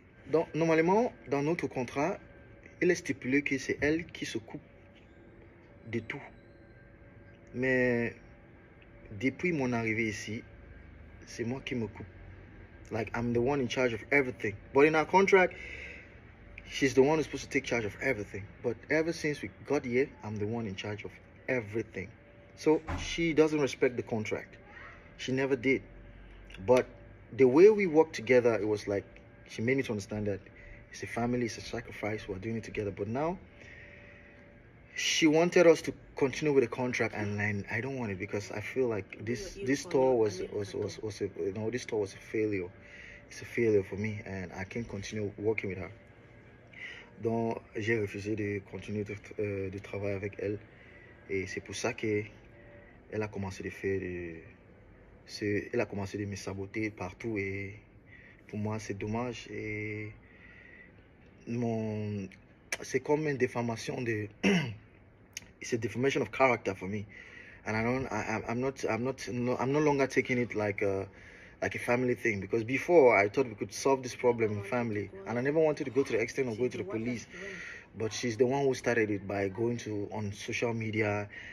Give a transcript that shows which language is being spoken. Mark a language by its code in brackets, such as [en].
[fr] Donc, normalement, dans notre contrat, il est stipulé que c'est elle qui se coupe de tout. Mais depuis mon arrivée ici, c'est moi qui me coupe. [en] Like, I'm the one in charge of everything. But in our contract, she's the one who's supposed to take charge of everything. But ever since we got here, I'm the one in charge of everything. So, she doesn't respect the contract. She never did. But the way we worked together, it was like, she made me to understand that it's a family, it's a sacrifice, we're doing it together. But now, she wanted us to continue with the contract, and then I don't want it because I feel like this store was a failure. It's a failure for me, and I can't continue working with her. [fr] Donc, j'ai refusé de continuer de travailler avec elle, et c'est pour ça que elle a commencé de faire elle a commencé de me saboter partout et. Pour moi, c'est dommage et c'est comme une déformation de, [en] it's a deformation of character for me, and I'm no longer taking it like a family thing because before I thought we could solve this problem in family, and I never wanted to go to the extent of going to the police, but she's the one who started it by going to on social media,